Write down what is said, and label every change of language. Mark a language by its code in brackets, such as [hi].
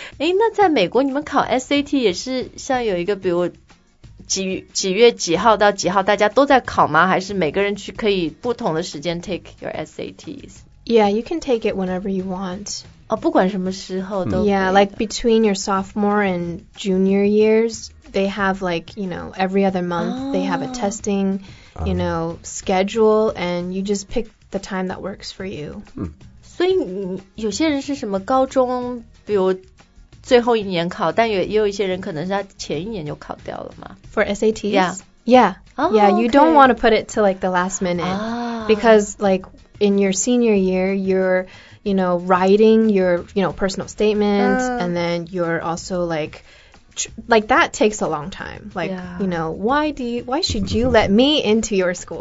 [zh] 诶，那在美国你们考 SAT 也是像有一个比如 几月几号到几号大家都在考吗？还是每个人去可以不同的时间 [en] take your SATs? Yeah, you can take it whenever you want. [zh] 哦、不管什么时候都可以 [en] Yeah, like between your sophomore and junior years, they have like, you know, every other month,、they have a testing, you know, schedule, and you just pick the time that works for you.、 [zh] 所以有些人是什么高中比如最后一年考但也有一些人可能是他前一年就考掉了嘛 [en] For SATs? Yeah. Yeah,、 okay. you don't want to put it to like the last minute,、because like in your senior year, you're... you know, writing your, you know, personal statement,、and then you're also like that takes a long time. Like,、you know, why should you let me into your school?、